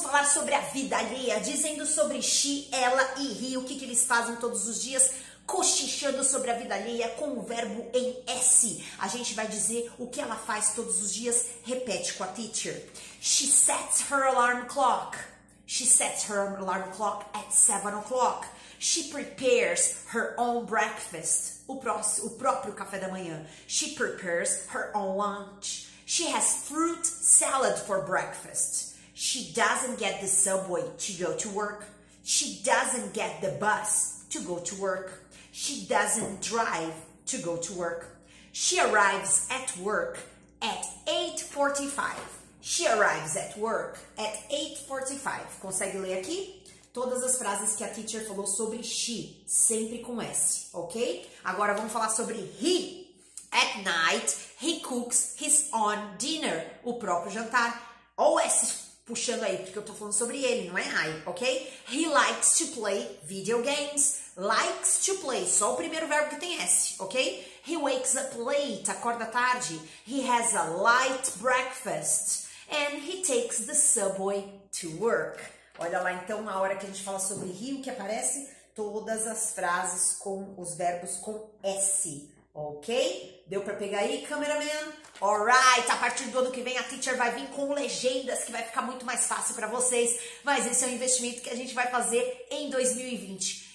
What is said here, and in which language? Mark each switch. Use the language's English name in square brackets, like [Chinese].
[Portuguese] sobre a vida alheia, dizendo sobre Xi, ela e Ri, o que eles fazem todos os dias, cochichando sobre a vida alheia com o verbo em S. A gente vai dizer o que ela faz todos os dias, repete com a teacher. [English] She sets her alarm clock. She sets her alarm clock at 7 o'clock. She prepares her own breakfast. [Portuguese] O próprio café da manhã. [English] She prepares her own lunch. She has fruit salad for breakfast. She doesn't get the subway to go to work. She doesn't get the bus to go to work. She doesn't drive to go to work. She arrives at work at 8:45. She arrives at work at 8:45. [Portuguese] Consegue ler aqui? Todas as frases que a teacher falou sobre she, sempre com S, ok? Agora vamos falar sobre he. [English] At night, he cooks his own dinner, [Portuguese] o próprio jantar. Ou S puxando aí, porque eu tô falando sobre ele, não é I, ok? [English] He likes to play video games. Likes to play, [Portuguese] só o primeiro verbo que tem S, ok? [English] He wakes up late, [Portuguese] acorda tarde. [English] He has a light breakfast. And he takes the subway to work. [Portuguese] Olha lá, então, na hora que a gente fala sobre he, o que aparece? Todas as frases com os verbos com S, ok? Deu pra pegar aí, cameraman? Alright, a partir do ano que vem a teacher vai vir com legendas que vai ficar muito mais fácil pra vocês, mas esse é um investimento que a gente vai fazer em 2020.